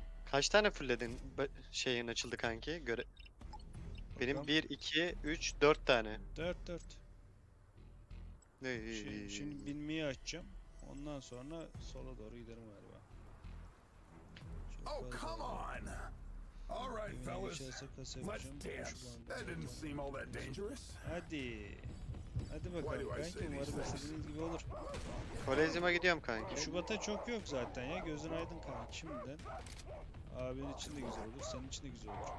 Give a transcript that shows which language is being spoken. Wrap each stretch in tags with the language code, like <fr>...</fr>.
<tr>Kaç tane fırladın şeyin açıldı kanki? Benim 1, 2, 3, 4 tane. 4, 4. Şimdi binmeyi açacağım. Ondan sonra sola doğru giderim galiba.</tr> <en>Oh come on! All right, fellas, let's dance. That didn't seem all that dangerous.</en> <tr>Hadi, hadi bakalım. Kanki, umarım istediğiniz gibi olur. Kolezyuma gidiyorum kanki. Şubat'a çok yok zaten ya. Gözün aydın kanki. Şimdiden. Abin için de güzel olur, senin için de güzel olur.</tr>